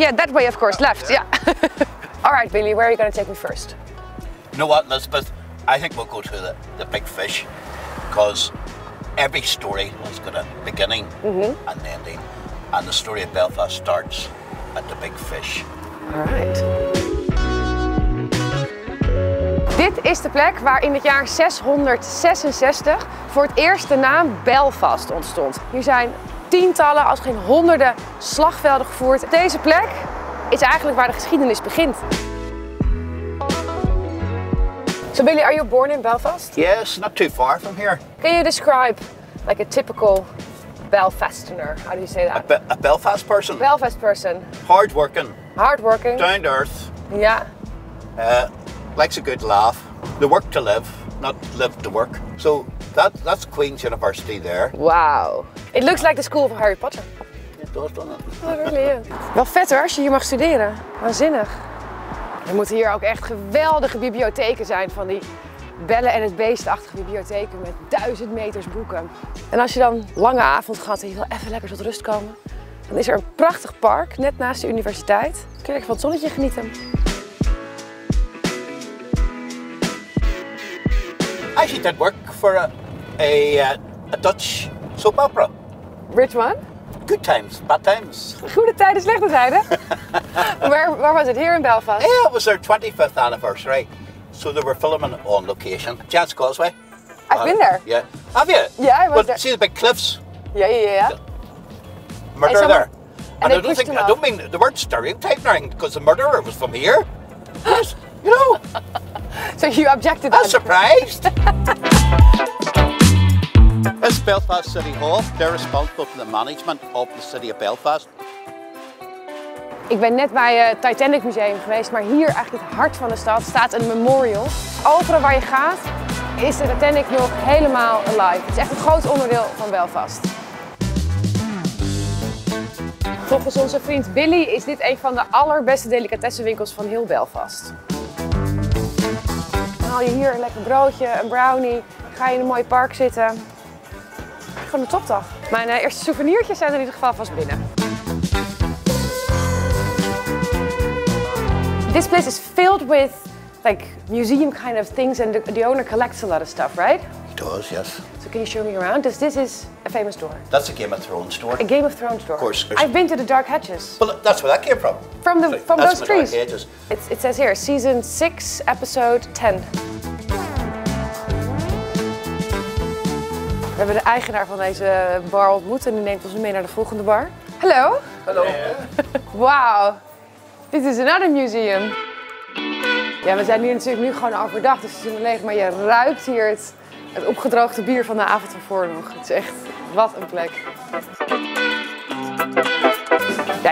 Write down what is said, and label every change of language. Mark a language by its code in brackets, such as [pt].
[en] Yeah, that way, of course, oh, left, yeah. All right, Billy, where are you going to take me first? You know what, Elizabeth? I think we'll go to the big fish, because every story has got a beginning and an ending, and the story of Belfast starts at the big fish. All right. [nl] Dit is de plek waar in het jaar 666 voor het eerst de naam Belfast ontstond. Hier zijn tientallen, als geen honderden slagvelden gevoerd. Deze plek is eigenlijk waar de geschiedenis begint. [en] So Billy, are you born in Belfast? Yes, not too far from here. Can you describe like a typical Belfastener? How do you say that? A Belfast person? Belfast person. Hardworking. Hardworking. Down to earth. Ja. Yeah. Likes a good laugh. The work to live, not live to work. So that's Queen's University there. Wow. It looks like the school of Harry Potter. It does, doesn't it? Oh, really, yeah. [nl] Wel vet hoor, als je hier mag studeren. Waanzinnig. Er moeten hier ook echt geweldige bibliotheken zijn van die Belle en het Beest-achtige bibliotheken met 1000 meters boeken. En als je dan lange avond gehad en je wil even lekker tot rust komen, dan is er een prachtig park net naast de universiteit. Kun je lekker van het zonnetje genieten. [en] I actually did work for a Dutch soap opera. Which one? Good times, bad times. [nl] Goede tijden, slechte tijden. [en] Where was it? Here in Belfast? Yeah, it was their 25th anniversary. So they were filming on location. Chance Causeway. I've been there. Yeah. Have you? Yeah, I was there. See the big cliffs? Yeah. Murder there. And I don't mean the word stereotype now, because the murderer was from here. Yes, you know. So you objected? I'm surprised. It's Belfast City Hall. They're responsible for the management of the city of Belfast. [nl] Ik ben net bij het Titanic Museum geweest, maar hier, eigenlijk het hart van de stad, staat een memorial. Overal waar je gaat, is de Titanic nog helemaal alive. Het is echt een groot onderdeel van Belfast. Volgens onze vriend Billy is dit een van de allerbeste delicatessenwinkels van heel Belfast. Dan haal je hier een lekker broodje, een brownie, ga je in een mooi park zitten. Gewoon een topdag. Mijn eerste souvenirtjes zijn er in ieder geval vast binnen. [en] This place is filled with like museum kind of things and the owner collects a lot of stuff, right? He does, yes. So can you show me around? This is a famous door. That's a Game of Thrones door. A Game of Thrones door. Of course. I've been to the Dark Hedges. Well, that's where that came from. From that's those trees. The Dark Hedges. It says here, season 6, episode 10. [nl] We hebben de eigenaar van deze bar ontmoet en die neemt ons mee naar de volgende bar. Hallo. Hallo. [en] Wow. This is another museum. [nl] Ja, we zijn hier natuurlijk nu gewoon overdag, dus het is leeg, maar je ruikt hier het opgedroogde bier van de avond ervoor nog. Het is echt, wat een plek. Ja,